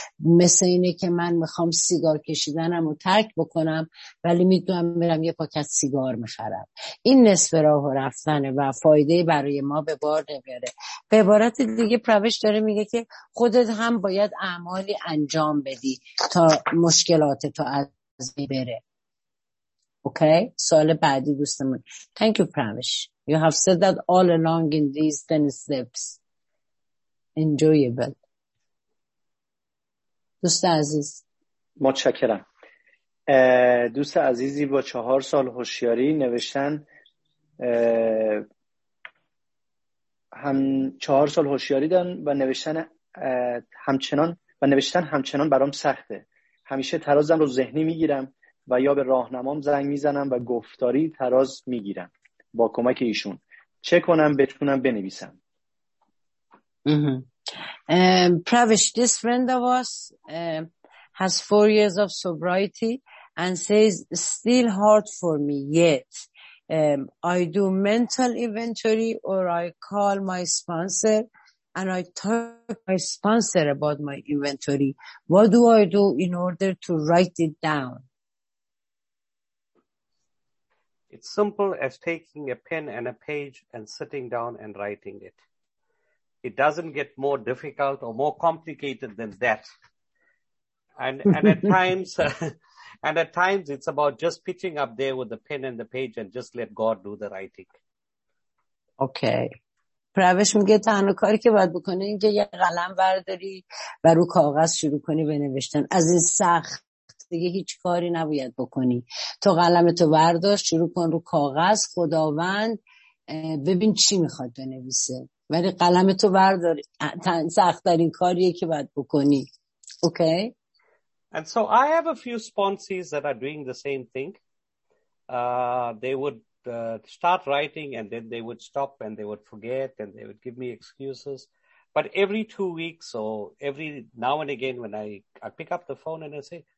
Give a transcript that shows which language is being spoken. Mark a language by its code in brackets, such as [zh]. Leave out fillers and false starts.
[fa] مثل اینه که من میخوام سیگار کشیدنم رو ترک بکنم ولی میدونم میرم یه پاکت سیگار میخرم. این نصف راه رفتنه و فایده برای ما به بار نمیاره. به عبارت دیگه پروش داره میگه که خودت هم باید اعمالی انجام بدی تا مشکلات تو از بین بره. [en] Okay, [fa] سوال بعدی دوستمون. [en] Thank you, Pramish. You have said that all along in these 10 steps. Enjoyable. [fa] دوست عزیز. متشکرم. دوست عزیزی با 4 سال هوشیاری نوشتن. هم 4 سال هوشیاری دارن و نوشتن همچنان و نوشتن همچنان برام سخته. همیشه ترازم رو ذهنی میگیرم و یا به راهنمام زنگ میزنم و گفتاری تراز میگیرم با کمک ایشون. چه کنم بتونم بنویسم؟ [en] Pravish, this friend of us has 4 years of sobriety and says still hard for me yet. I do mental inventory or I call my sponsor and I talk to my sponsor about my inventory. What do I do in order to write it down? It's simple as taking a pen and a page and sitting down and writing it. It doesn't get more difficult or more complicated than that. And at times, and at times it's about just pitching up there with the pen and the page and just let God do the writing. Okay. [fa] پروش میگه تنها کاری که باید بکنی این که یه قلم برداری و رو کاغذ شروع کنی به نوشتن. از این سخت دیگه هیچ کاری نباید بکنی. تو قلمتو برداشت، شروع کن رو کاغذ، خداوند ببین چی میخواد بنویسه. ولی قلمتو بردار، سخت‌ترین کاریه که باید بکنی. اوکی. [en] And so I have a few sponsors that are doing the same thing. They would start writing and then they would stop and they would forget and they would give me excuses. But every 2 weeks or every now and again when I pick up the phone and I say